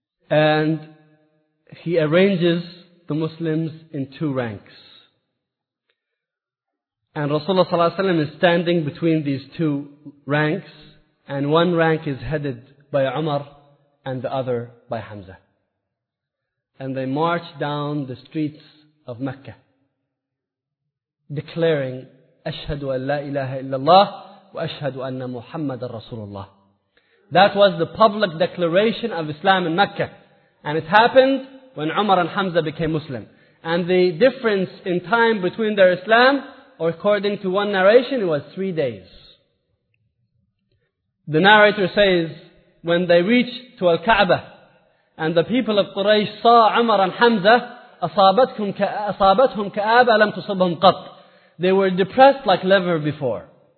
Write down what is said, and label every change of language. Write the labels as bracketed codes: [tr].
[en] And he arranges the Muslims in two ranks. And Rasulullah sallallahu alayhi wa sallam is standing between these two ranks. And one rank is headed by Umar and the other by Hamza. And they march down the streets of Mecca, declaring, [ar] أشهد أن لا إله إلا الله وأشهد أن محمد رسول الله. [en] That was the public declaration of Islam in Mecca. And it happened when Umar and Hamza became Muslim. And the difference in time between their Islam, or according to one narration, it was 3 days. The narrator says, when they reached to Al-Ka'ba, and the people of Quraysh saw Umar and Hamza, [ar] أصابتهم كآبة لم تصبهم قط. [en] They were depressed like never before.